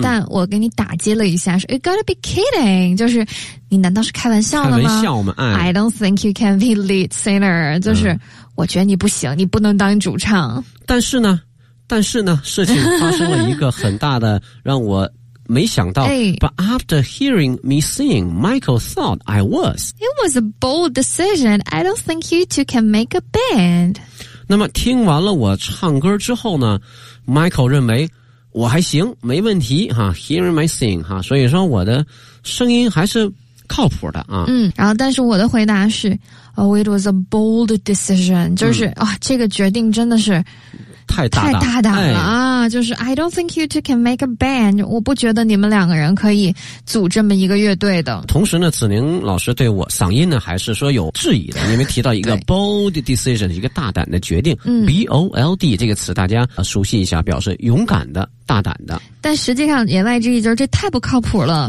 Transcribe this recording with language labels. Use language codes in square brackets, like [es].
[zh] 但我给你打击了一下，说 [en] you gotta be kidding， [zh] 就是你难道是开玩笑的吗？开玩笑吗、哎、 [en] I don't think you can be lead singer， [zh] 就是、嗯，我觉得你不行，你不能当主唱。但是呢事情发生了一个很大的让我没想到、哎、 [en] But after hearing me sing, Michael thought I was. It was a bold decision. I don't think you two can make a band. [zh] 那么听完了我唱歌之后呢， Michael 认为我还行，没问题哈。 [en] Hearing my sing [zh] 哈，所以说我的声音还是靠谱的啊。嗯，然后但是我的回答是 [en] Oh, it was a bold decision. [zh] 就是、嗯哦、这个决定真的是太大胆了 [en] 、哎、 [zh] 就是 [en] I don't think you two can make a band. [zh] 我不觉得你们两个人可以组这么一个乐队的。同时呢，子宁老师对我嗓音呢还是说有质疑的，因为提到一个 bold decision， 一个大胆的决定、嗯、 B-O-L-D 这个词大家熟悉一下，表示勇敢的、大胆的。但实际上言外之意就是这太不靠谱了。